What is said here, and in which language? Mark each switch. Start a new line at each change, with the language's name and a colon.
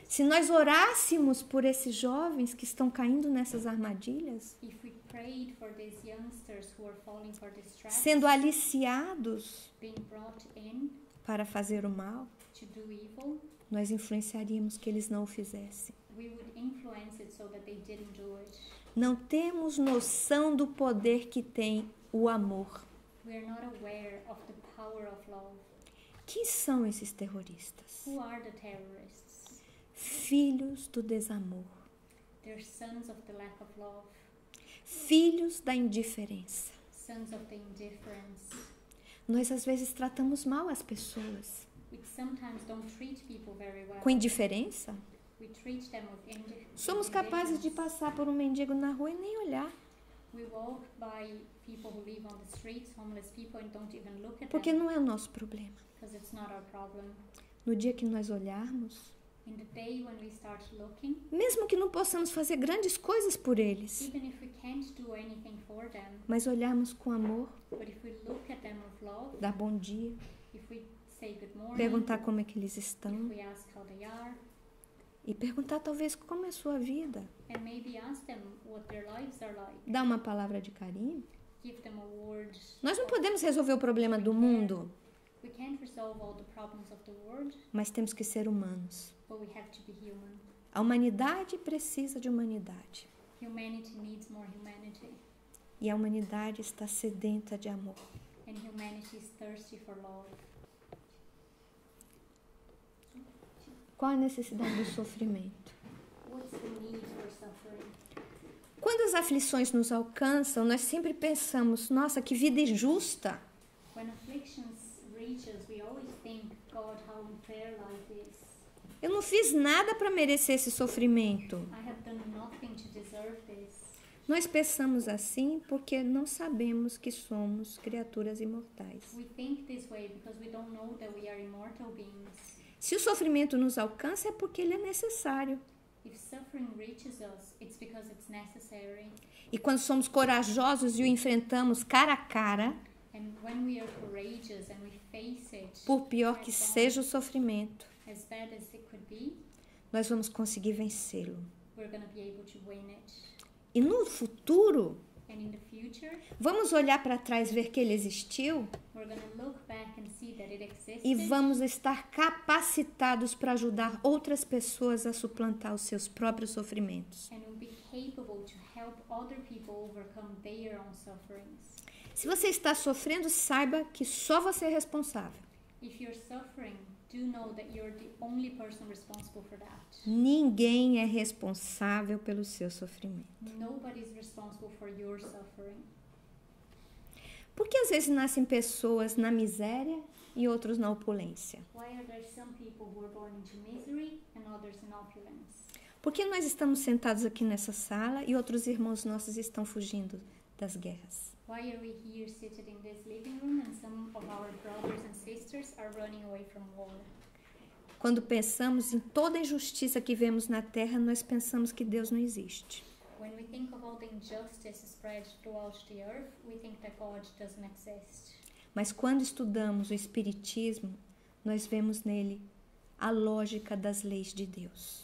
Portuguese: Se nós orássemos por esses jovens que estão caindo nessas armadilhas,
English: if we prayed for these youngsters who are falling for these traps,
Portuguese: sendo aliciados,
English: being brought in,
Portuguese: para fazer o mal,
English: to do evil,
Portuguese: nós influenciaríamos que eles não o fizessem.
English: We would influence it so that they didn't do it.
Portuguese: Não temos noção do poder que tem o amor.
English: We are not aware of the power of love.
Portuguese: Quem são esses terroristas?
English: Who are the terrorists?
Portuguese: Filhos do desamor.
English: They're sons of the lack of love.
Portuguese: Filhos da indiferença.
English: Sons of the indifference.
Portuguese: Nós às vezes tratamos mal as pessoas.
English: We sometimes don't treat people very well.
Portuguese: Com indiferença.
English: We treat them with
Portuguese: somos capazes de passar por um mendigo na rua e nem olhar.
English: We walk by people who live on the streets, homeless people, and don't even look at
Portuguese: porque
English: them.
Portuguese: Não é o nosso problema.
English: Because it's not our problem.
Portuguese: No dia que nós olharmos,
English: in the day when we start looking,
Portuguese: mesmo que não possamos fazer grandes coisas por eles,
English: even if we can't do anything for them,
Portuguese: mas olharmos com amor,
English: but if we look at them with love,
Portuguese: dar bom dia,
English: if we say good morning,
Portuguese: perguntar como é que eles estão,
English: if we ask how they are,
Portuguese: e perguntar talvez como é a sua vida,
English: and maybe ask them what their lives are like,
Portuguese: dar uma palavra de carinho,
English: give them a word,
Portuguese: nós não podemos resolver o problema do mundo.
English: We can't resolve all the problems of the world,
Portuguese: mas temos que ser humanos.
English: But we have to be human.
Portuguese: A humanidade precisa de humanidade.
English: Humanity needs more humanity.
Portuguese: E a humanidade está sedenta de amor.
English: And humanity is thirsty for love.
Portuguese: Qual a necessidade do sofrimento?
English: What's the need for suffering?
Portuguese: Quando as aflições nos alcançam, nós sempre pensamos, nossa, que vida injusta.
English: When afflictions reach us, we always think, God, how unfair life is.
Portuguese: Eu não fiz nada para merecer esse sofrimento.
English: I have done nothing to deserve this.
Portuguese: Nós pensamos assim porque não sabemos que somos criaturas imortais.
English: We think this way because we don't know that we are immortal beings.
Portuguese: Se o sofrimento nos alcança, é porque ele é necessário.
English: If suffering reaches us, it's because it's necessary.
Portuguese: E quando somos corajosos e o enfrentamos cara a cara,
English: and when we are courageous and we face it,
Portuguese: por pior que seja o sofrimento,
English: as bad as it could be,
Portuguese: nós vamos conseguir vencê-lo.
English: We're gonna be able to win it.
Portuguese: E no futuro,
English: and in the future,
Portuguese: vamos olhar para trás e ver que ele existiu.
English: We're gonna look back and see that it existed,
Portuguese: e vamos estar capacitados para ajudar outras pessoas a suplantar os seus próprios sofrimentos.
English: And we'll be capable to help other people overcome their own sufferings.
Portuguese: Se você está sofrendo, saiba que só você é responsável.
English: If you're suffering, do know that you're the only person responsible for that.
Portuguese: Ninguém é responsável pelo seu sofrimento.
English: Nobody's responsible for your suffering.
Portuguese: Por que às vezes nascem pessoas na miséria e outros na opulência?
English: Why are there some people who are born into misery and others in opulence?
Portuguese: Por que nós estamos sentados aqui nessa sala e outros irmãos nossos estão fugindo das guerras?
English: Why are we here seated in this living room and some of our brothers and sisters are running away from war?
Portuguese: Quando pensamos em toda a injustiça que vemos na terra, nós pensamos que Deus não existe.
English: When we think of all the injustice spread throughout the earth, we think that God doesn't exist.
Portuguese: Mas quando estudamos o Espiritismo, nós vemos nele a lógica das leis de Deus.